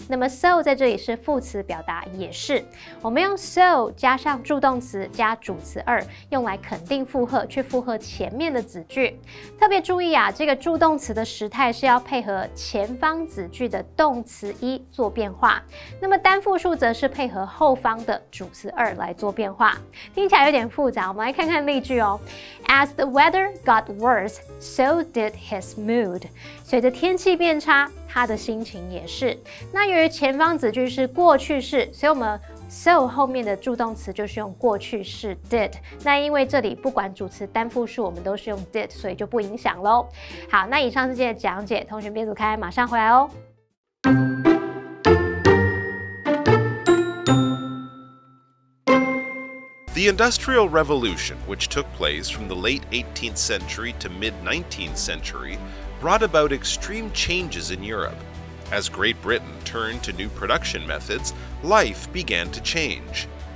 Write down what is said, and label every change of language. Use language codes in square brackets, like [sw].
[zh] 那么 so 在这里是副词，表达也是。我们用 so 加上助动词加主词二，用来肯定附和，去附和前面的子句。特别注意啊，这个助动词的时态态是要配合前方子句的动词一做变化，那么单复数则是配合后方的主词二来做变化。听起来有点复杂，我们来看看例句哦。 [en] As the weather got worse, so did his mood. [zh] 随着天气变差，他的心情也是。那由于前方子句是过去式，所以我们So 后面的助动词就是用过去式 did， 那因为这里不管主词单复数我们都是用 did， 所以就不影响咯。好，那以上是今天的讲解，同学别走开，马上回来哦。 [en] The Industrial Revolution, which took place from the late 18th century to mid 19th century, brought about extreme changes in Europe. As Great Britain turned to new production methods, life began to change.